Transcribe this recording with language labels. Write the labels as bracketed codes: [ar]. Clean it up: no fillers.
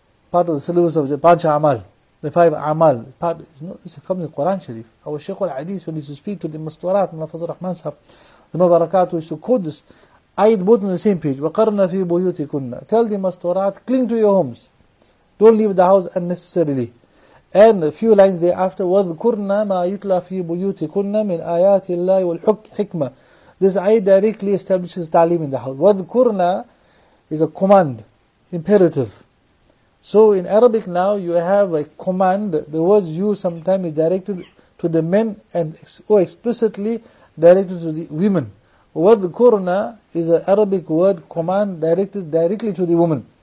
[en] Part of the syllabus of the Pancha Amal, the five Amal. Part, you know, this comes in Quran Sharif. Our Shaykh al-Hadith, when he used to speak to the Mustawarat, Allah Fazal Rahman Sahib, the Mubarakatuh, used to quote this. Ayat both on the same page. [ar] وَقَرْنَا فِي بُيُوتِكُنَّ. [en] Tell the Mustawarat, cling to your homes. Don't leave the house unnecessarily. And a few lines thereafter, [ar] وَذْكُرْنَا مَا يُتْلَى فِي بُيُوتِكُنَّ مِنْ آيَاتِ اللَّهِ وَالْحُكْمَةِ. [en] This ayat directly establishes ta'lim in the house. وَذْكُرْنَا is a command, imperative. So in Arabic now, you have a command. The words you sometimes is directed to the men and or explicitly directed to the women. Word Qurna is an Arabic word, command directed directly to the woman.